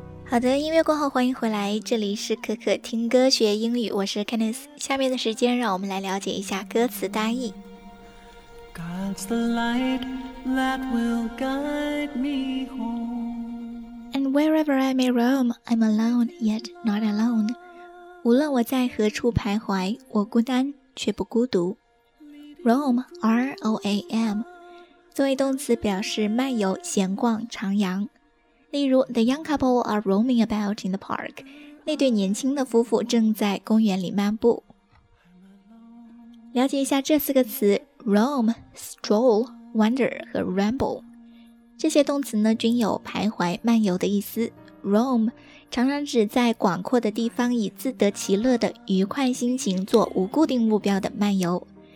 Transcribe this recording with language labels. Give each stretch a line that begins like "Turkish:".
Chinese: 好的，音乐过后欢迎回来，这里是可可听歌学英语，我是 Candice。下面的时间让我们来了解一下歌词大意。
English: God's the light that will guide me home. And wherever I may roam, I'm alone yet not alone.
Chinese: 无论我在何处徘徊，我孤单却不孤独。 Roam, R-O-A-M， 作为动词表示漫游、闲逛、徜徉。例如
English: The young couple are roaming about in the park，
Chinese: 那对年轻的夫妇正在公园里漫步。了解一下这四个词 roam, stroll, wander 和 ramble， 这些动词呢均有徘徊漫游的意思。 roam 常常指在广阔的地方以自得其乐的愉快心情做无固定目标的漫游。